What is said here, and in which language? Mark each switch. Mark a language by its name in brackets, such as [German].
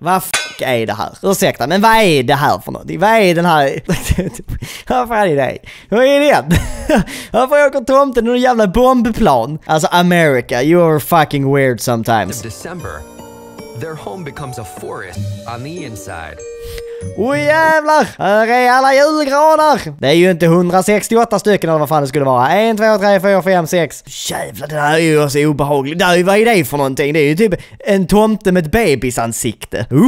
[Swedish] Vad fuck är det här? Ursäkta, men vad är det här för något? Vad är den här? Varför är det dig? Vad är det? Varför åker tomten någon jävla bombplan? [English] Alltså America, you are fucking weird sometimes. December, their home becomes a forest on the inside. [Swedish] Oj jävlar, här är alla julgranar. Det är ju inte 168 stycken eller vad fan det skulle vara. 1, 2, 3, 4, 5, 6. Jävlar, det här är ju så obehagligt. Det är ju, vad är det för någonting? Det är ju typ en tomte med ett babys ansikte.